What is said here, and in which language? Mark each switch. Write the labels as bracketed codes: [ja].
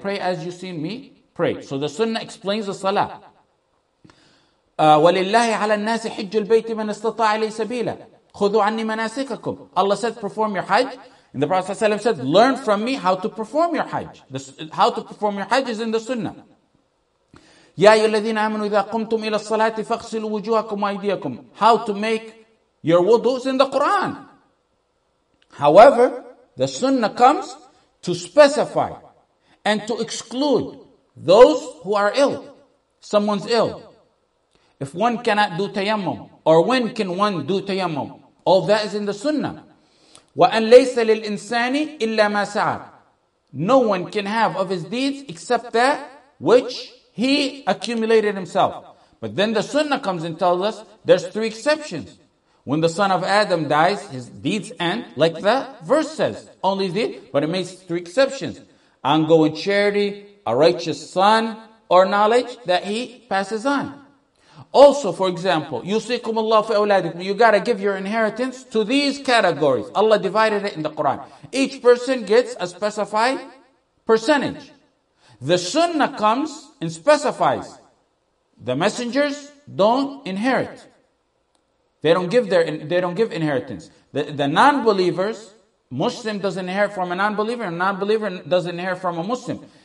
[en] Pray as you see me, pray. So the sunnah explains the salah. [ar] وَلِلَّهِ عَلَى النَّاسِ حِجُّ الْبَيْتِ مَنْ اسْتَطَاعَ إِلَيْهِ سَبِيلًا خُذُوا عَنِّي مَنَاسِكَكُمْ. [en] Allah said, perform your hajj. And the Prophet ﷺ said, learn from me how to perform your hajj. How to perform your hajj is in the sunnah. [ar] يا أيها الذين آمنوا إذا قمتم إلى الصلاة فاغسلوا وجوهكم وأيديكم. [en] How to make your wudu is in the Quran. However, the Sunnah comes to specify and to exclude those who are ill. Someone's ill. If one cannot do tayammum, or when can one do tayammum? All that is in the Sunnah. [ar] وأن ليس للإنسان إلا ما سعى. [en] No one can have of his deeds except that which he accumulated himself. But then the Sunnah comes and tells us there's three exceptions. When the son of Adam dies, his deeds end, like the verse says. Only deed, but it makes three exceptions. Ongoing charity, a righteous son, or knowledge that he passes on. Also, for example, [ar] يُسِيكُمُ اللَّهُ فِي أَوْلَادِكُمْ. [en] You gotta give your inheritance to these categories. Allah divided it in the Quran. Each person gets a specified percentage. The sunnah comes and specifies. The messengers don't inherit. They don't give their inheritance. The non-believers, Muslim doesn't inherit from a non-believer, and a non-believer doesn't inherit from a Muslim.